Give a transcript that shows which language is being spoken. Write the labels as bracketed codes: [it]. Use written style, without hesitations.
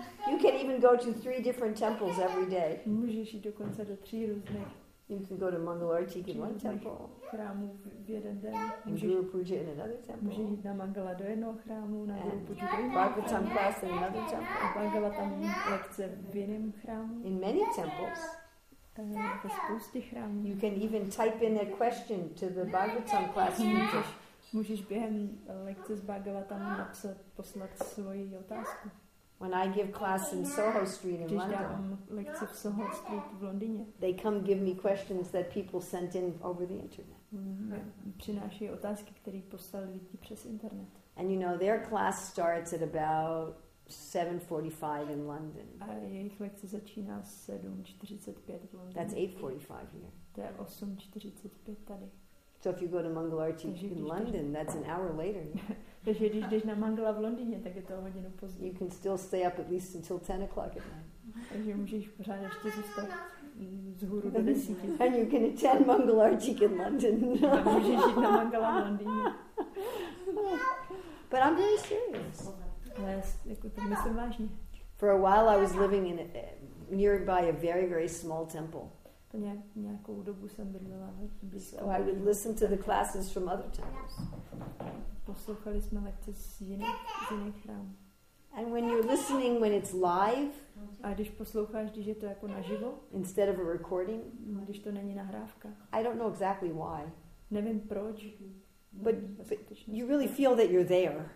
[en] You can even go to 3 different temples every day. [cs] Můžeš jít dokonce do 3 různých. [en] You can go to Mangalartik in one temple. [cs] Chrámu v jeden den. [en] And Guru Puja in another temple. [cs] Můžeš jít na Mangala do jednoho chrámu, na Guru Puja do jiného. [en] Bhagavatam class in another temple. [cs] A Mangala tam lekce v jiném chrámu. [en] In many temples. [cs] Po spoustě chrámů. [en] You can even type in a question to the Bhagavatam class. [cs] Můžeš během lekce z Bhagavatam napsat, poslat svoji otázku. [en] When I give class in Soho Street in [cs] když [en] London, [cs] lekce v Soho Street v Londýně, [en] they come give me questions that people sent in over the internet. [cs] Přinášejí otázky, které poslali lidi přes internet. [en] And you know, their class starts at about 7:45 in London. [cs] A jejich lekce začíná 7:45 v Londýně. [en] That's 8:45 here. [cs] To je 8:45 tady. [en] So if you go to Mangalarchi in London, that's an hour later. [cs] Takže když jdeš na Mangala v Londýně, tak je to hodinu později. [en] You can still stay up at least until 10 o'clock at night. [cs] Takže můžeš pořád ještě zůstat zhůru do desíti. [en] And you can attend Mangalarchi in London. [cs] A můžeš jít na Mangala v Londýně. [en] But I'm very serious. [cs] Myslím vážně. [en] For a while I was living in nearby a very, very small temple. [cs] Nějakou dobu jsem bydlela. [en] So I would listen to the classes from other temples. [cs] Poslouchali jsme lekce z jiných chrámů. [en] And when you're listening when it's live, [cs] a když posloucháš, když je to jako naživo, [en] instead of a recording, [cs] když to není nahrávka, [en] I don't know exactly why. [cs] Nevím proč. [en] But you really feel that you're there.